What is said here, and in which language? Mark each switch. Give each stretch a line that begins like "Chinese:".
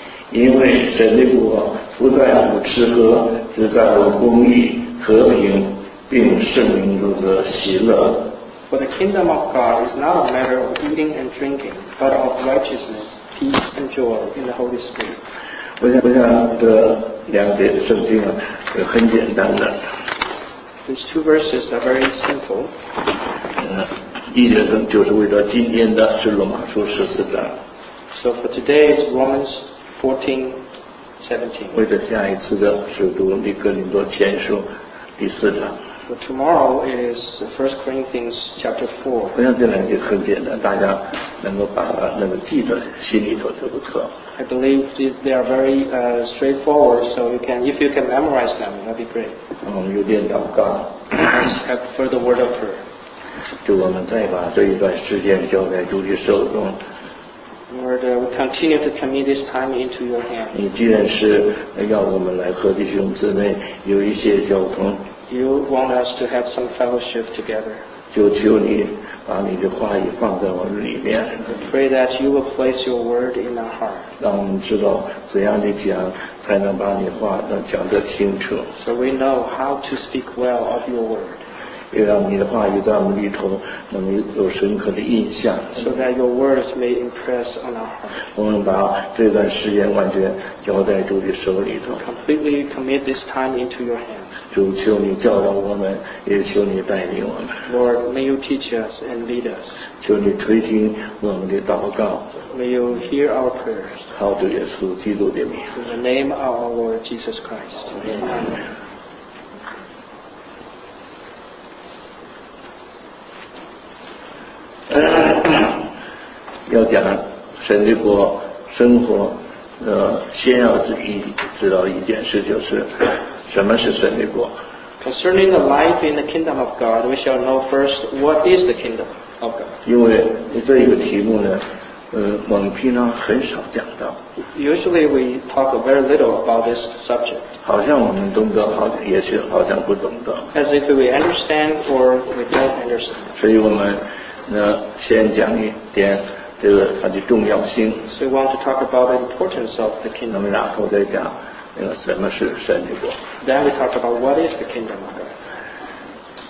Chinese: 因为神的国不在乎吃喝，只在乎公义、和平，并圣灵中的喜乐。
English: For the kingdom of God is not a matter of eating and drinking, but of righteousness, peace, and joy in the Holy Spirit.
Chinese: 我想这两节圣经啊，很简单的。
English: These two verses are very simple.
Chinese: 一节圣就是为了今天的，是罗马书十四章。
English: So for today is Romans 14:17.
Chinese: 为了下一次的是读那个林多前书第四章。
English: For tomorrow is First Corinthians chapter 4.
Chinese: 我想这两节很简单，大家能够把那个记得心里头就不错。
English: I believe they are very straightforward, so you can, if you can memorize them, that'd be great.
Chinese: 有点祷告。
English: Have further word of prayer.
Chinese: 就我们再把这一段时间交在主的手中。
English: Lord, we continue to commit this time into your hand.
Chinese: 你既然是要我们来和弟兄姊妹有一些交通，
English: You want us to have some fellowship together.
Chinese: 就求你把你的话语放在我们里面。
English: I pray that you will place your word in our heart.
Chinese: 让我们知道怎样的讲才能把你话能讲得清楚。
English: So we know how to speak well of your word.
Chinese: 也让你的话语在我们里头能有深刻的印象。
English: So that your words may impress on our hearts.
Chinese: 我们把这段时间完全交在主的手里头。
English: Completely commit this time into your hands.
Chinese: 主，求你教导我们，也求你带领我们。
English: Lord, may you teach us and lead us.
Chinese: 求你垂听我们的祷告。
English: May you hear our prayers.
Chinese: 靠主耶稣基督的名。
English: In the name of our Lord Jesus Christ. Amen.
Chinese: 要讲神的国生活，先要知道一件事，就是什么是神的国。
English: Concerning the life in the kingdom of God, we shall know first what is the kingdom of God.
Chinese: 因为这一个题目呢，我们平常很少讲到。
English: Usually we talk very little about this subject.
Chinese: 好像我们懂得，好像也许好像不懂得。
English: As if we understand or we don't understand.
Chinese: 所以我们先讲一点这个它的重要性。
English: So we want to talk about the importance of the kingdom.
Chinese: 然后再讲什么是神的国。
English: Then we talk about what is the kingdom of God.